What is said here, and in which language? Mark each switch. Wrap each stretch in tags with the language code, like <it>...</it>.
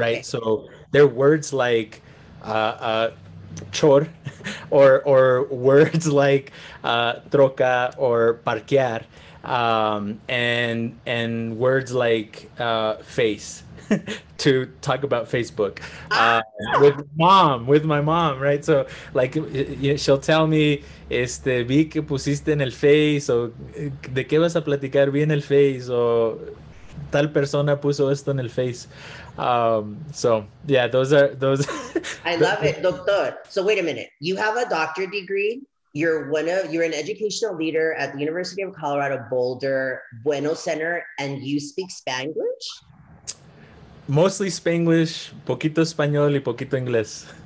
<en>Right? So they're words like chor or words like troca or parquear and words like face. To talk about Facebook with my mom, right? So like she'll tell me,</en> <es>vi que pusiste en el Face, o de qué vas a platicar, vi en el Face, o tal persona puso esto en el Face.</es> <en>So yeah, those are I love it, doctor. So wait a minute, you have a doctorate degree, you're an educational leader at the University of Colorado Boulder Bueno Center, and you speak Spanglish? Mostly Spanglish,</en> <es>poquito español y poquito inglés.</es>